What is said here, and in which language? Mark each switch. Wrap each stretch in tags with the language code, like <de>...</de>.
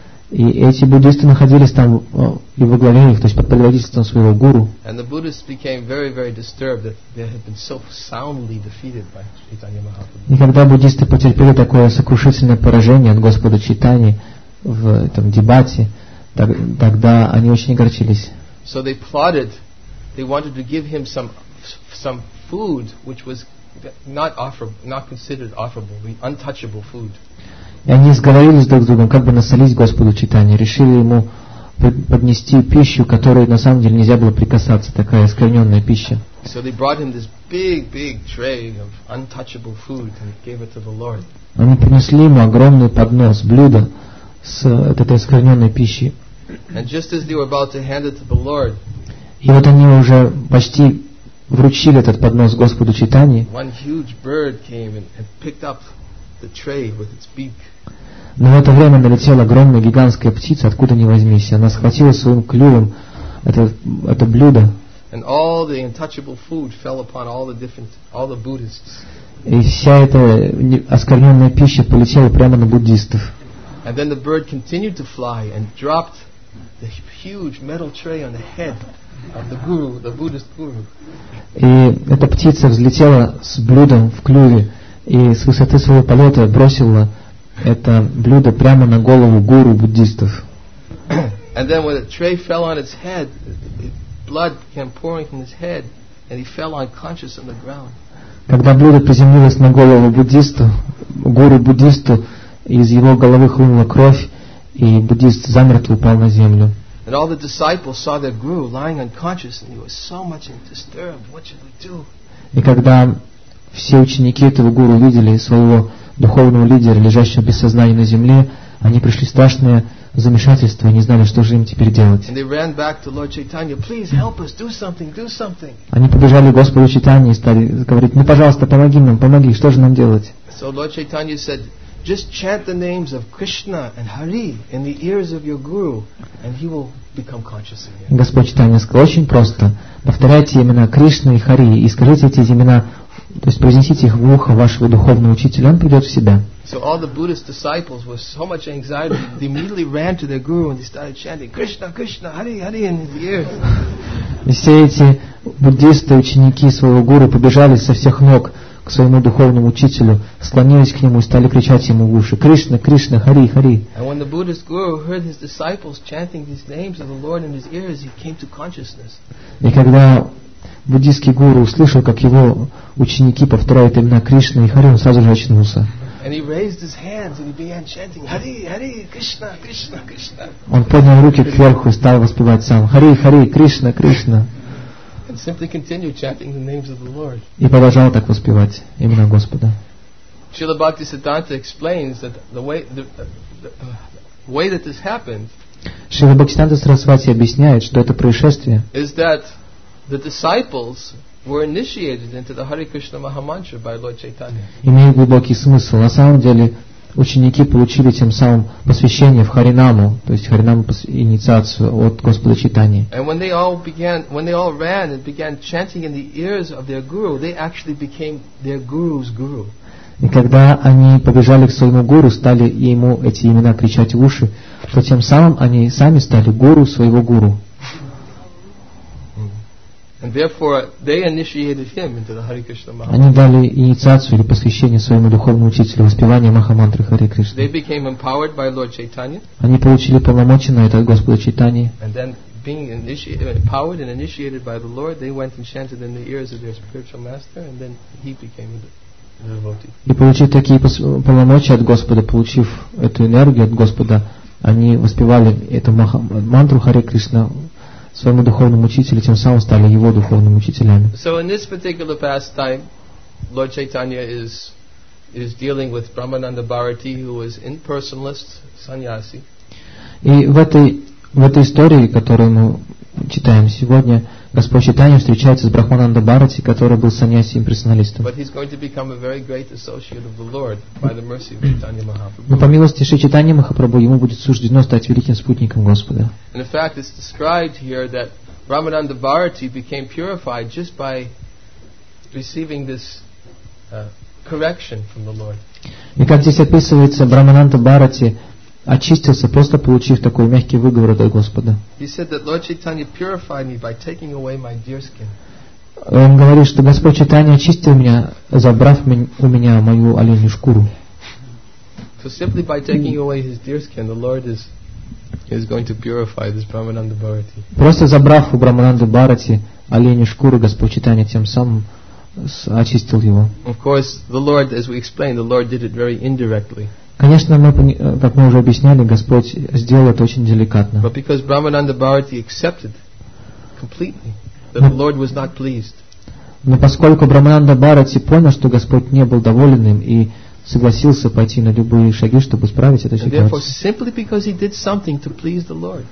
<ru>И эти буддисты находились там и во главе их, то есть под предводительством своего гуру.</ru> <en>And the Buddhists became very, very disturbed that they had been so soundly defeated by Chaitanya Mahaprabhu.</en> <ru>И когда буддисты потерпели такое сокрушительное поражение от Господа Чайтаньи в этом дебате, тогда они очень огорчились.</ru> <en>So they plotted. They wanted to give him some food, which was not considered offerable, untouchable food.</en> <ru>И они сговорились друг с другом, как бы насолить Господу Читания, решили ему поднести пищу, которой на самом деле нельзя было прикасаться, такая оскверненная пища.</ru> <en>So they brought him this big tray of untouchable food and gave it to the Lord.</en> <ru>Они принесли ему огромный поднос, блюдо с этой оскверненной пищей.</ru> <en>And just as they were about to hand it to the Lord,</en> <ru>и вот они уже почти вручили этот поднос Господу Читания.</ru> <en>One huge bird came and picked up the tray with its beak.</en> <ru>Но в это время налетела огромная гигантская птица, откуда ни возьмись. Она схватила своим клювом это блюдо.</ru> <en>And all the untouchable food fell upon all the Buddhists.</en> <ru>И вся эта оскверненная пища полетела прямо на буддистов.</ru> <en>And then the bird continued to fly and dropped the huge metal tray on the head of the guru, the Buddhist guru.</en> <ru>И эта птица взлетела с блюдом в клюве и с высоты своего полета бросила это блюдо прямо на голову гуру буддистов.</ru> <en>And then when the tray fell on its head, blood came pouring from his head, and he fell unconscious on the ground.</en> <ru>Когда блюдо приземлилось на голову буддисту, гуру буддисту, из его головы хлынула кровь, и буддист замертво упал на землю.</ru> <en>And all the disciples saw their guru lying unconscious, and he was so much disturbed. What should we do?</en> <ru>И когда все ученики этого гуру видели своего духовного лидера, лежащего без сознания на земле, они пришли в страшное замешательство и не знали, что же им теперь делать.</ru> <en>And they ran back to Lord Chaitanya, please help us, do something, do something.</en> <ru>Они побежали к Господу Чайтанье и стали говорить: ну пожалуйста, помоги нам, помоги, что же нам делать?</ru> <en>So Lord Chaitanya said, just chant the names of Krishna and Hari in the ears of your guru, and he will become conscious again.</en> <ru>Господь Чайтанья сказал очень просто: повторяйте имена Кришны и Хари и скажите эти имена, то есть произнесите их в ухо вашего духовного учителя, он придет в себя.</ru> <en>So all the Buddhist disciples with so much anxiety, they immediately ran to their guru and they started chanting Krishna, Krishna, Hari, Hari in his ears.</en> <ru>Все эти буддисты, ученики своего гуру, побежали со всех ног к своему духовному учителю, склонились к нему и стали кричать ему в уши: Кришна, Кришна, Хари, Хари.</ru> <en>And when the Buddhist guru heard his disciples chanting these names of the Lord in his ears, he came to consciousness.</en> <ru>И когда буддийский гуру услышал, как его ученики повторяют имена Кришна и Хари, он сразу же очнулся.</ru> <en>And he raised his hands and he began chanting Hari, Hari, Krishna, Krishna, Krishna.</en> <ru>Он поднял руки кверху и стал воспевать сам: Хари, Хари, Кришна, Кришна.</ru> <en>And simply continued chanting the names of the Lord.</en> <ru>И продолжал так воспевать имена Господа.</ru> <en>Srila Bhaktisiddhanta explains that the way that this happened.</en> <ru>Srila Bhaktisiddhanta Sarasvati объясняет, что это происшествие. Is that the disciples were initiated into the Hare Krishna Mahamantra by Lord Chaitanya. Имеет глубокий смысл. На самом деле ученики получили тем самым посвящение в Харинаму, то есть Харинаму инициацию от Господа Чайтаньи.</ru> <en>And when they all began, when they all ran and began chanting in the ears of their guru, they actually became their guru's guru.</en> <ru>И когда они побежали к своему гуру, стали ему эти имена кричать в уши, то тем самым они сами стали гуру своего гуру.</ru> <en>And therefore, they initiated him into the Hare Krishna Mahamantra.</en> <ru>Они дали инициацию или посвящение своему духовному учителю, воспевание Махамантры Харе Кришна.</ru> <en>They became empowered by Lord Chaitanya.</en> <ru>Они получили полномочия на это от Господа Чайтаньи.</ru> <en>And then, being empowered and initiated by the Lord, they went and chanted in the ears of their spiritual master, and then he became the devotee.</en> <ru>И получив такие полномочия от Господа, получив эту энергию от Господа, они воспевали эту мантру Харе Кришна своему духовному учителю, тем самым стали его духовными учителями.</ru> <en>So in this particular pastime, Lord Chaitanya is dealing with Brahmananda Bharati, who was impersonalist sannyasi.</en> <ru>И в этой истории, которую мы читаем сегодня, Господь Чайтанья встречается с Брахмананда Бхарати, который был санньяси имперсоналистом.</ru> <en>But he's going to become a very great associate of the Lord by the mercy of Chaitanya Mahaprabhu.</en> <ru>Но по милости Шри Чайтанья Махапрабху ему будет суждено стать великим спутником Господа.</ru> <en>And in fact, it's described here that Brahmananda Bharati became purified just by receiving this correction from the Lord.</en> <ru>И как здесь описывается, Брахмананда Бхарати очистился, просто получив такой мягкий выговор от Господа.</ru> <en>He said that Lord Chaitanya purified me by taking away my deer skin.</en> <ru>Он говорит, что Господь Чайтанья очистил меня, забрав у меня мою оленью шкуру.</ru> <en>So simply by taking away his deer skin, the Lord is is going to purify this Brahmananda Bharati.</en> <ru>Просто забрав у Брамананды Бхарати оленью шкуру Господь Читания, тем самым очистил его.</ru> <en>Of course, the Lord, as we explained, the Lord did it very indirectly.</en> <ru>Конечно, мы, как мы уже объясняли, Господь сделал это очень деликатно.</ru> <en>But because Brahmananda Bharati accepted completely, that the Lord was not pleased.</en> <ru>Но поскольку Брамананда Бхарати понял, что Господь не был доволен им и согласился пойти на любые шаги, чтобы исправить эту ситуацию.</ru>